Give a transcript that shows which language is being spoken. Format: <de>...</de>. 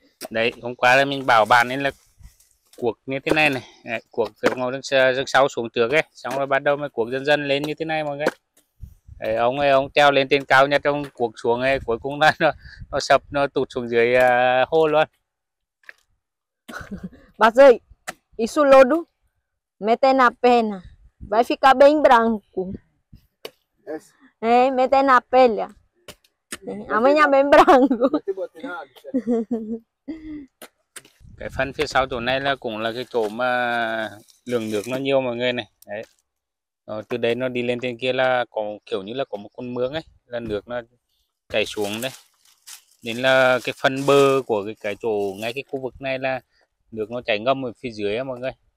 <vi>Đấy, hôm qua là mình bảo bạn ấy là cuộc như thế này này, đấy, cuộc từ ngồi đứng sau xuống trước ấy, xong rồi bắt đầu mới cuộc dần dần lên như thế này mọi người. Đấy, ông treo lên trên cao nhất trong cuộc xuống ấy, cuối cùng là nó sập, nó tụt xuống dưới hô luôn.</vi> <pt>Bà ơi, isso lodo, mete na pena, vai ficar bem branco. É, mete na pele, amanhã bem branco.</pt> <vi>Cái phần phía sau chỗ này là cũng là cái chỗ mà lượng nước nó nhiều mọi người này. Đấy. Rồi từ đấy nó đi lên trên kia là có kiểu như là có một con mương ấy, là nước nó chảy xuống đấy. Nên là cái phần bờ của cái chỗ ngay cái khu vực này là nước nó chảy ngâm ở phía dưới ấy, mọi người.</vi>